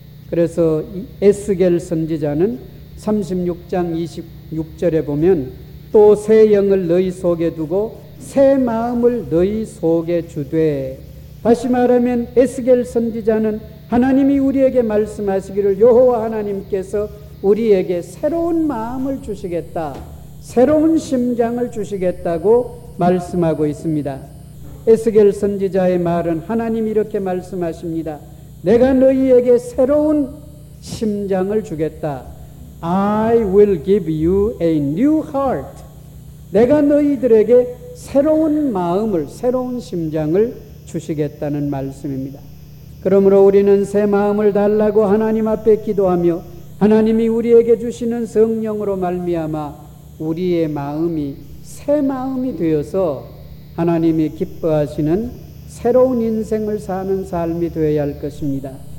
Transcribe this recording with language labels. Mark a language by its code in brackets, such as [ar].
[ko] 그래서 에스겔 선지자는 36장 26절에 보면 또 새 영을 너희 속에 두고 새 마음을 너희 속에 주되, 다시 말하면 에스겔 선지자는 하나님이 우리에게 말씀하시기를 여호와 하나님께서 우리에게 새로운 마음을 주시겠다, 새로운 심장을 주시겠다고 말씀하고 있습니다. 에스겔 선지자의 말은 하나님이 이렇게 말씀하십니다. 내가 너희에게 새로운 심장을 주겠다. [en] I will give you a new heart. [ko] 내가 너희들에게 새로운 마음을, 새로운 심장을 주시겠다는 말씀입니다. 그러므로 우리는 새 마음을 달라고 하나님 앞에 기도하며 하나님이 우리에게 주시는 성령으로 말미암아 우리의 마음이 새 마음이 되어서 하나님이 기뻐하시는 새로운 인생을 사는 삶이 되어야 할 것입니다.